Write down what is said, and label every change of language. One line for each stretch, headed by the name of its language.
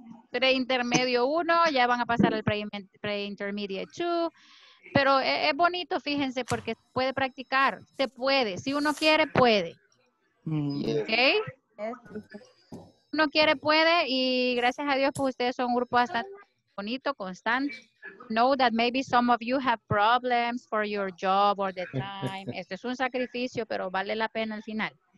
Spanish: Pre-intermedio 1, ya van a pasar al pre-intermediate 2. Pero es bonito, fíjense, porque puede practicar. Se puede. Si uno quiere, puede. Yeah. ¿Ok? Si uno quiere, puede. Y gracias a Dios, pues ustedes son un grupo bastante bonito, constant.
English: Know that maybe some of you have problems for your job or the time.
Spanish: Este es un sacrificio, pero vale la pena al final.